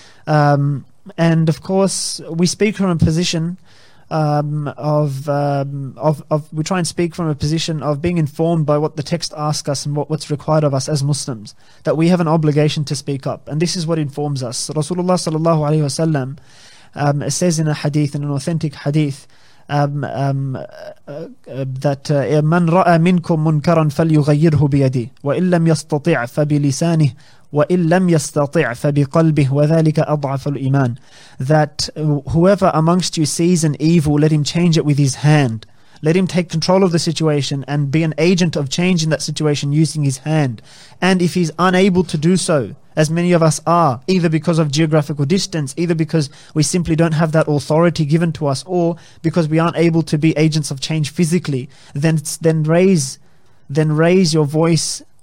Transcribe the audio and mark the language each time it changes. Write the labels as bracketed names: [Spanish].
[English] And of course, we speak from a position we try and speak from a position of being informed by what the text asks us and what's required of us as Muslims, that we have an obligation to speak up. And this is what informs us. Rasulullah sallallahu alayhi wa sallam says in a hadith, in an authentic hadith, that [Arabic] من رأى منكم منكرا فليغيره بيده وإن لم يستطع فبلسانه وإن لم يستطع فبقلبه وذلك أضعف الإيمان. [English] That whoever amongst you sees an evil, let him change it with his hand. Let him take control of the situation and be an agent of change in that situation using his hand. And if he's unable to do so, as many of us are, either because of geographical distance, either because we simply don't have that authority given to us, or because we aren't able to be agents of change physically, then raise your voice.